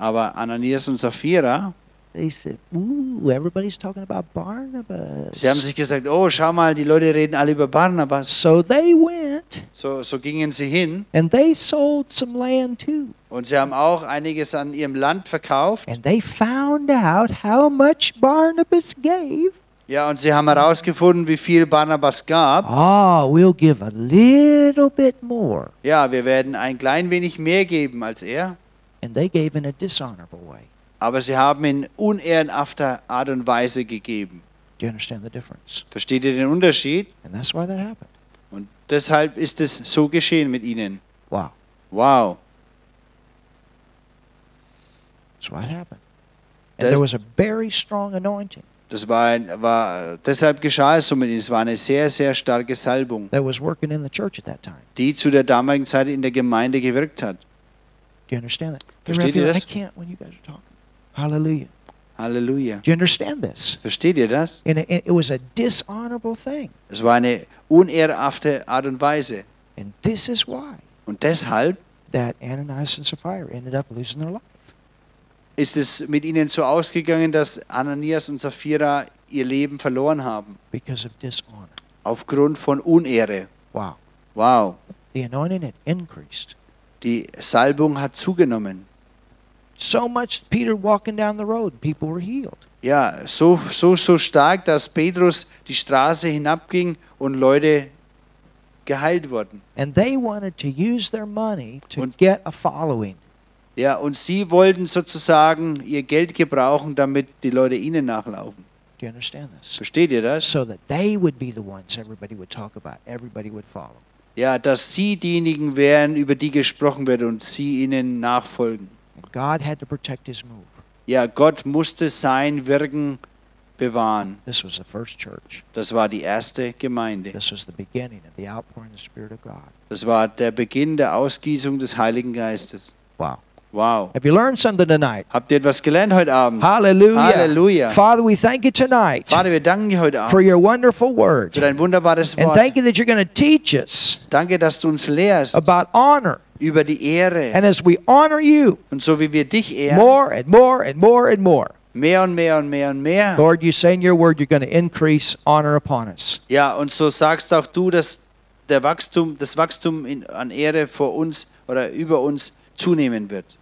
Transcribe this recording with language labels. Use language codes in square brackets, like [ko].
[de] Aber Ananias und Sapphira. [en] They said, "Ooh, everybody's talking about Barnabas." [de] Sie haben sich gesagt, oh, schau mal, die Leute reden alle über Barnabas. [en] So they went. [de] So gingen sie hin. [en] And they sold some land too. [de] Und sie haben auch einiges an ihrem Land verkauft. [en] And they found out how much Barnabas gave. [de] Ja, und sie haben herausgefunden, wie viel Barnabas gab. [en] Ah, oh, we'll give a little bit more. [de] Ja, wir werden ein klein wenig mehr geben als er. [en] And they gave in a dishonorable way. [de] Aber sie haben in unehrenhafter Art und Weise gegeben. [en] Do you understand the difference? [de] Versteht ihr den Unterschied? [en] And that's why that happened. [de] Und deshalb ist es so geschehen mit ihnen. Wow. Wow. [en] So what happened? And das, there was a very strong anointing. [de] Das war deshalb geschah es so mit ihnen. Es war eine sehr, sehr starke Salbung. [en] That was working in the church at that time. [de] Die zu der damaligen Zeit in der Gemeinde gewirkt hat. [en] Do you understand that? [de] Versteht ihr das? [en] I can't when you guys are talking. Hallelujah. Hallelujah. Do you understand this? [de] Versteht ihr das? [en] And it was a dishonorable thing. [de] Es war eine unehrhafte Art und Weise. [en] And this is why. [de] Und deshalb. [en] That Ananias and Sapphira ended up losing their life. [de] Ist es mit ihnen so ausgegangen, dass Ananias und Sapphira ihr Leben verloren haben? [en] Because of dishonor. [de] Aufgrund von Unehre. Wow. Wow. [en] The anointing had increased. [de] Die Salbung hat zugenommen. [en] So much Peter walking down the road, people were healed. [de] Ja, so stark, dass Petrus die Straße hinabging und Leute geheilt wurden. [en] And they wanted to use their money to get a following. [de] Ja, und sie wollten sozusagen ihr Geld gebrauchen, damit die Leute ihnen nachlaufen. [en] Do you understand this? [de] Versteht ihr das? [en] So that they would be the ones everybody would talk about, everybody would follow. [de] Ja, dass sie diejenigen wären, über die gesprochen wird und sie ihnen nachfolgen. [en] God had to protect his move. [de] Ja, Gott musste sein Wirken bewahren. [en] This was the first church. [de] Das war die erste Gemeinde. [en] This was the beginning of the outpouring of the Spirit of God. [de] Das war der Beginn der Ausgießung des Heiligen Geistes. Wow. Wow. [en] Have you learned something tonight? [de] Habt ihr etwas gelernt heute Abend? Hallelujah. Hallelujah. [en] Father, we thank you tonight. [de] Vater, wir danken dir heute Abend. [en] For your wonderful word. [de] Für dein wunderbares Wort. [en] And thank you that you're going to teach us. [de] Danke, dass du uns lehrst. [en] About honor. [de] Über die Ehre. [en] And as we honor you. [de] Und so wie wir dich ehren. [en] More and more and more and more. [de] Mehr und mehr und mehr und mehr. [en] Lord, you say in your word you're going to increase honor upon us. [de] Ja, und so sagst auch du, dass das Wachstum an Ehre vor uns oder über uns zunehmen wird.